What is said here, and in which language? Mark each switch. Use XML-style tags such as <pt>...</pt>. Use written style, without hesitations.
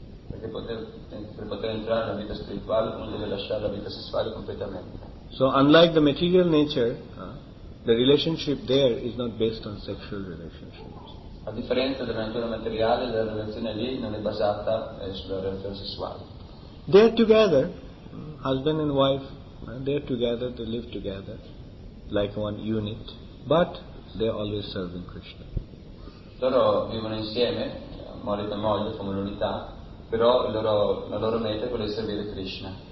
<it>Perché per poter entrare nella vita spirituale uno deve lasciare la vita sessuale completamente.</it> <en>So unlike the material nature, the relationship there is not based on sexual relationships.</en> <it>A differenza della natura materiale, la relazione lì non è basata sulla relazione sessuale.</it> <en>They are together, husband and wife. They are together, they live together, like one unit, but they are always serving Krishna.</en> <it>Loro vivono insieme, marito e moglie, come un'unità, però la loro meta è quella di servire Krishna.</it>